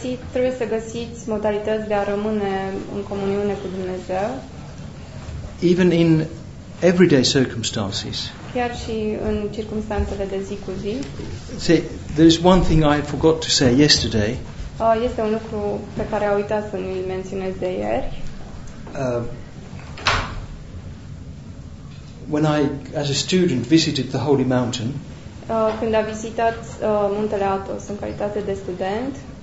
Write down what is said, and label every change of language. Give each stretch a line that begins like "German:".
Romanian: Trebuie să găsiți modalități de a rămâne în comuniune cu Dumnezeu.
English: Even in everyday circumstances.
Romanian: Chiar și în circumstanțele de zi cu zi.
English: See, there is one thing I forgot to say yesterday.
Romanian: Este un lucru pe care a uitat să nu-l menționez de ieri.
English: When I, as a student, visited the Holy Mountain.
Romanian: Când a vizitat Muntele Athos în calitate de student.